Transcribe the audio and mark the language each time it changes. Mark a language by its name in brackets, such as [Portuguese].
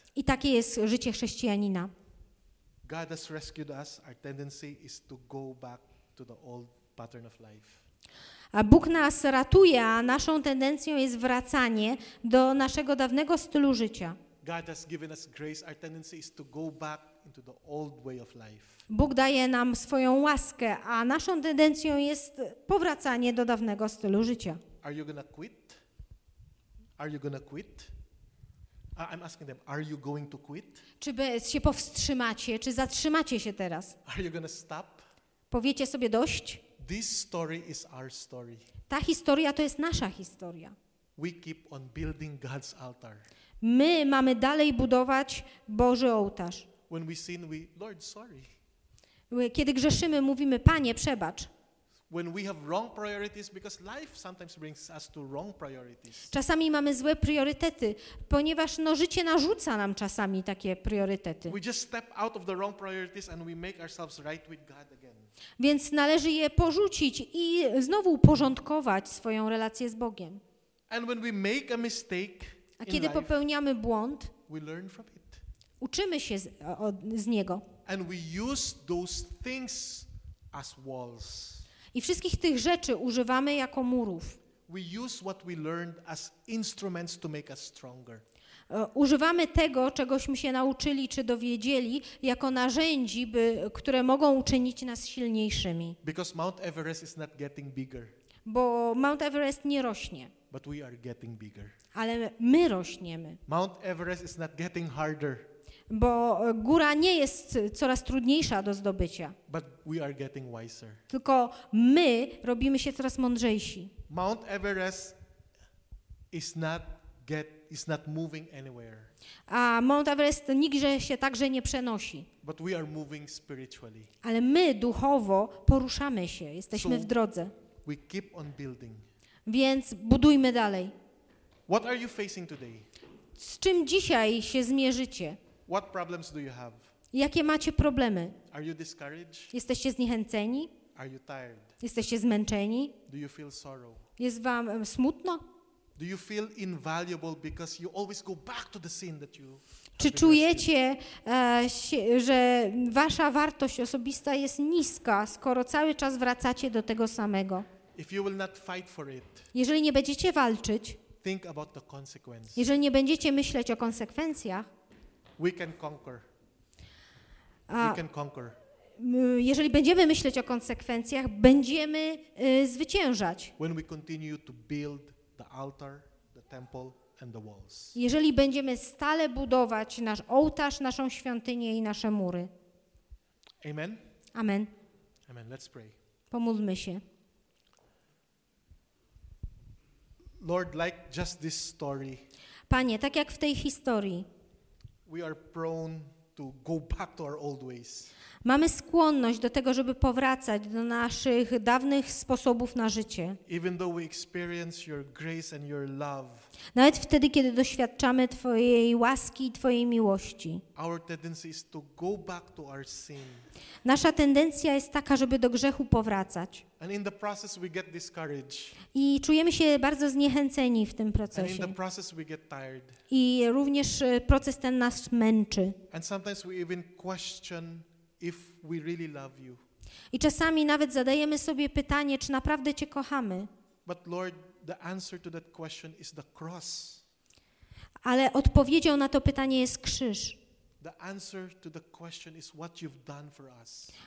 [Polish] I takie jest życie chrześcijanina. [English] God has rescued us. Our tendency is to go back to the old pattern of life. [Polish] A Bóg nas ratuje, a naszą tendencją jest wracanie do naszego dawnego stylu życia. [English] God has given us grace. Our tendency is to go back into the old way of life. [Polish] Bóg daje nam swoją łaskę, a naszą tendencją jest powracanie do dawnego stylu życia. [English] Are you gonna quit? Are you gonna quit? I'm asking them, are you going to quit? [Polish] Czy się powstrzymacie, czy zatrzymacie się teraz? [English] Are you gonna stop? [Polish] Powiecie sobie dość? [English] This story is our story. [Polish] Ta historia to jest nasza historia. [English] We keep on building God's altar. [Polish] My mamy dalej budować Boży ołtarz. [English] When we sin, we, Lord, sorry. [Polish] Kiedy grzeszymy, mówimy, Panie, przebacz. [English] When we have wrong priorities, because life sometimes brings us to wrong priorities. [Polish] Czasami mamy złe priorytety, ponieważ życie narzuca nam czasami takie priorytety. [English] We just step out of the wrong priorities and we make ourselves right with God again. [Polish] Więc należy je porzucić i znowu uporządkować swoją relację z Bogiem. [English] And when we make a mistake, [Polish] a kiedy popełniamy błąd, [English] we learn from it. [Polish] Uczymy się z niego. [English] And we use those things as walls. [Polish] I wszystkich tych rzeczy używamy jako murów. [English] We use what we learned as instruments to make us stronger. [Polish] Używamy tego, czegośmy się nauczyli czy dowiedzieli, jako narzędzi, które mogą uczynić nas silniejszymi. [English] Because Mount Everest is not getting bigger. [Polish] Bo Mount Everest nie rośnie. [English] But we are getting bigger. [Polish] Ale my rośniemy. [English] Mount Everest is not getting harder. [Polish] Bo góra nie jest coraz trudniejsza do zdobycia. [English] But we are getting wiser. [Polish] Tylko my robimy się coraz mądrzejsi. [English] Mount Everest is not moving anywhere. [Polish] A Mount Everest nigdzie się także nie przenosi. [English] But we are moving spiritually. [Polish] Ale my duchowo poruszamy się, jesteśmy [English] so [Polish] w drodze. [English] We keep on building. [Polish] Więc budujmy dalej. [English] What are you facing today? [Polish] Z czym dzisiaj się zmierzycie? [English] What problems do you have? [Polish] Jakie macie problemy? [English] Are you discouraged? [Polish] Jesteście zniechęceni? [English] Are you tired? [Polish] Jesteście zmęczeni? [English] Do you feel sorrow? [Polish] Jest wam smutno? [English] Do you feel invaluable because you always go back to the sin that you? [Polish] Czy czujecie, że wasza wartość osobista jest niska, skoro cały czas wracacie do tego samego? [English] If you will not fight for it. [Polish] Jeżeli nie będziecie walczyć. [English] Think about the consequences. [Polish] Jeżeli nie będziecie myśleć o konsekwencjach. [English] We can conquer. We can conquer. [Polish] jeżeli będziemy myśleć o konsekwencjach, będziemy zwyciężać. [English] When we continue to build the altar, the temple, and the walls. [Polish] Jeżeli będziemy stale budować nasz ołtarz, naszą świątynię i nasze mury. [English] Amen. [Polish] Amen. [English] Amen. Let's pray. [Polish] Pomódlmy się. [English] Lord, like just this story. [Polish] Panie, tak jak w tej historii. [English] We are prone to go back to our old ways. [Polish] Mamy skłonność do tego, żeby powracać do naszych dawnych sposobów na życie. [English] Even though we experience your grace and your love. [Polish] Nawet wtedy, kiedy doświadczamy Twojej łaski i Twojej miłości. [English] Our tendency is to go back to our sin. [Polish] Nasza tendencja jest taka, żeby do grzechu powracać. [English] And in the process we get discouraged. [Polish] I czujemy się bardzo zniechęceni w tym procesie. [English] And in the process we get tired. [Polish] I również proces ten nas męczy. [English] And sometimes we even question if we really love you. [Polish] I czasami nawet zadajemy sobie pytanie, czy naprawdę Cię kochamy. [English] But Lord, the answer to that question is the cross. [Polish] Ale odpowiedzią na to pytanie jest krzyż. [English] The answer to the question is what you've done for us.